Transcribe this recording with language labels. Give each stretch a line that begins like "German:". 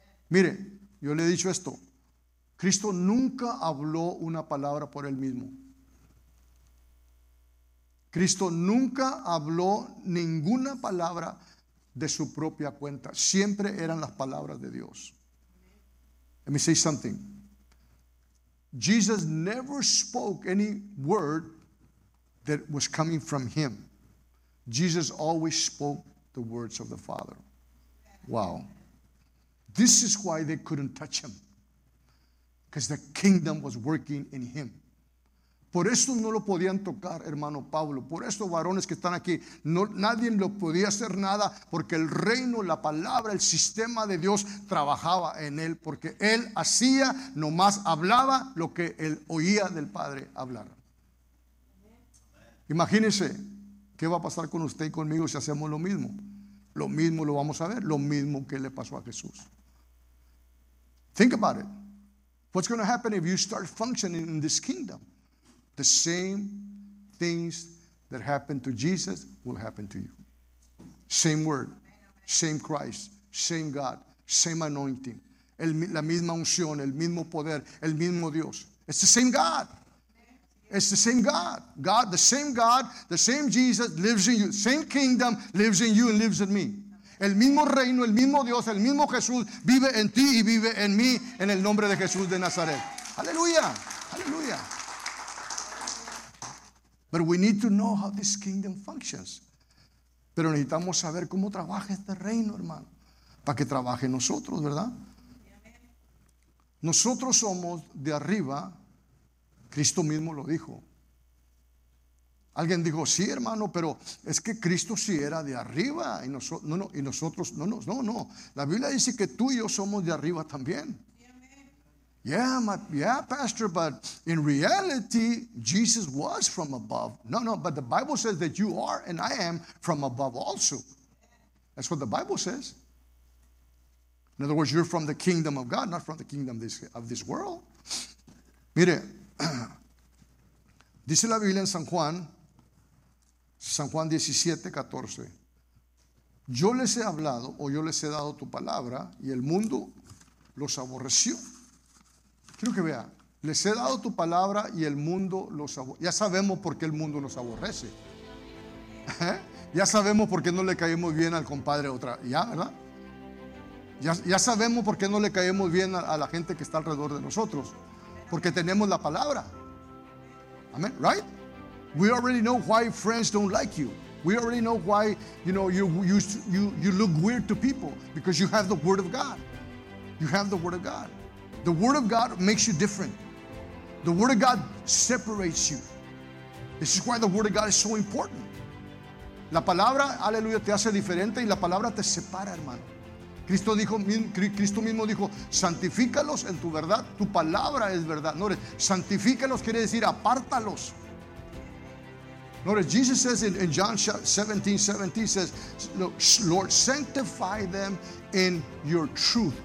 Spanish: Mire, yo le he dicho esto. Cristo nunca habló una palabra por él mismo. Cristo nunca habló ninguna palabra de su propia cuenta. Siempre eran las palabras de Dios.
English: Let me say something. Jesus never spoke any word that was coming from him. Jesus always spoke the words of the Father. Wow. This is why they couldn't touch him. Because the kingdom was working in him.
Spanish: Por eso no lo podían tocar, hermano Pablo. Por eso, varones que están aquí, no, nadie lo podía hacer nada, porque el reino, la palabra, el sistema de Dios trabajaba en él, porque él hacía, nomás hablaba lo que él oía del Padre hablar. Imagínense qué va a pasar con usted y conmigo si hacemos lo mismo. Lo mismo lo vamos a ver, lo mismo que le pasó a Jesús.
English: Think about it. What's going to happen if you start functioning in this kingdom? The same things that happened to Jesus will happen to you. Same word, same Christ, same God, same anointing.
Spanish: La misma unción, el mismo poder, el mismo Dios.
English: It's the same God. It's the same God. God, the same God, the same Jesus lives in you. Same kingdom lives in you and lives in me.
Spanish: El mismo reino, el mismo Dios, el mismo Jesús vive en ti y vive en mí en el nombre de Jesús de Nazaret. Aleluya, aleluya.
English: But we need to know how this kingdom functions.
Spanish: Pero necesitamos saber cómo trabaja este reino, hermano, para que trabaje nosotros, ¿verdad? Nosotros somos de arriba. Cristo mismo lo dijo. Alguien dijo, sí, hermano, pero es que Cristo sí era de arriba. Y nosotros no. La Biblia dice que tú y yo somos de arriba también.
English: Yeah, pastor, but in reality, Jesus was from above. No, but the Bible says that you are and I am from above also. That's what the Bible says. In other words, you're from the kingdom of God, not from the kingdom of this world.
Spanish: Mire, dice la Biblia en San Juan 17:14. Yo les he hablado o yo les he dado tu palabra y el mundo los aborreció. Quiero que vea, les he dado tu palabra y el mundo los aborrece. Ya sabemos por qué el mundo los aborrece. Ya sabemos por qué no le caemos bien al compadre otra. Ya, ¿verdad? Ya sabemos por qué no le caemos bien a la gente que está alrededor de nosotros. Porque tenemos la palabra. Amén, ¿right?
English: We already know why friends don't like you. We already know why, you know, you look weird to people. Because you have the word of God. You have the word of God. The word of God makes you different. The word of God separates you. This is why the word of God is so important.
Spanish: La palabra, aleluya, te hace diferente y la palabra te separa, hermano. Cristo mismo dijo, santifícalos en tu verdad. Tu palabra es verdad. Notice, santifícalos quiere decir apártalos.
English: Notice, Jesus says in John 17:17, he says, Lord, sanctify them in your truth.